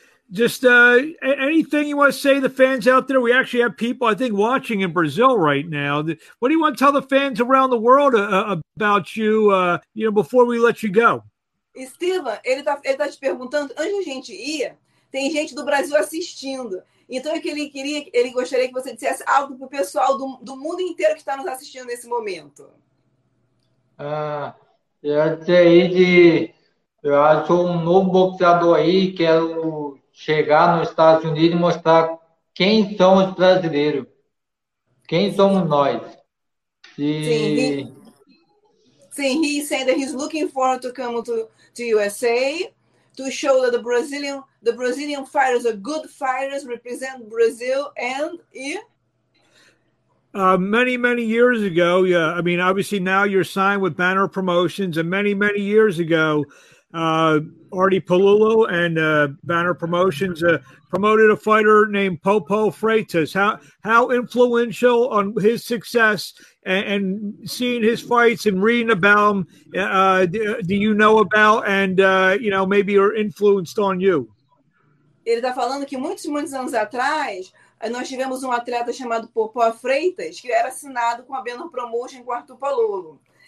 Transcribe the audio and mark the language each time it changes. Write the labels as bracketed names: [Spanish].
[English] Anything you want to say to the fans out there? We actually have people, I think, watching in Brazil right now. What do you want to tell the fans around the world about you, you know, before we let you go? [Portuguese] Estevam, ele tá te perguntando, antes a gente ir, tem gente do Brasil assistindo. Então, é que ele gostaria que você dissesse algo para o pessoal do mundo inteiro que está nos assistindo nesse momento. Eu sou um novo boxeador aí, quero chegar nos Estados Unidos e mostrar quem são os brasileiros, quem somos nós. [English] Sim, he said that he's looking forward to come to USA to show that the Brazilian fighters are good fighters, represent Brazil, and Many years ago, yeah. I mean, obviously now you're signed with Banner Promotions, and many years ago, Artie Palullo and Banner Promotions promoted a fighter named Popo Freitas. How influential on his success and seeing his fights and reading about him do you know about and, you know, maybe are influenced on you? [Portuguese] Ele está falando que muitos anos atrás nós tivemos um atleta chamado Popó Freitas, que era assinado com a Benor Promotion, com o Arthur Palolo.